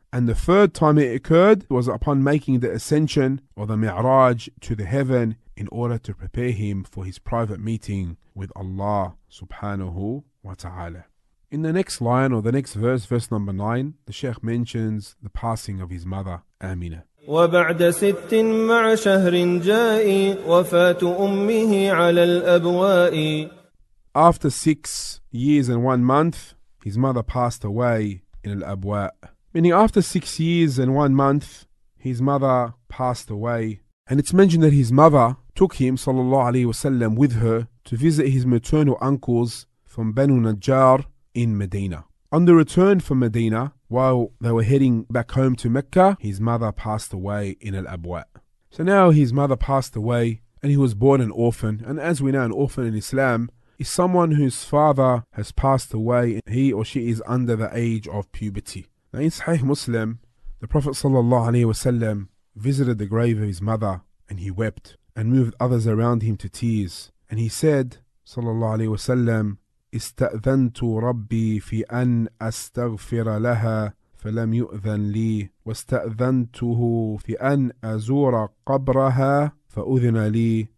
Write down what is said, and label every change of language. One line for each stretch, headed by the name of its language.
English: And the third time it occurred was upon making the ascension or the mi'raj to the heaven in order to prepare him for his private meeting with Allah subhanahu wa ta'ala. In the next line or the next verse, verse number 9, the Shaykh mentions the passing of his mother, Amina.
Arabic: وبعد ست مع شهر جاءي وفاة أمه على الأبواء.
English: After 6 years and 1 month, his mother passed away in Al-Abwa. Meaning after 6 years and 1 month, his mother passed away. And it's mentioned that his mother took him, sallallahu alayhi wa sallam, with her to visit his maternal uncles from Banu Najjar in Medina. On the return from Medina, while they were heading back home to Mecca, his mother passed away in Al-Abwa. So now his mother passed away and he was born an orphan. And as we know, an orphan in Islam is someone whose father has passed away and he or she is under the age of puberty. Now in Sahih Muslim, the Prophet ﷺ visited the grave of his mother and he wept and moved others around him to tears. And he said,
Arabic: ﷺ, استأذنتُ ربي في أن أستغفر لها فلم يؤذن لي واستأذنته في أن أزور قبرها فأذن لي.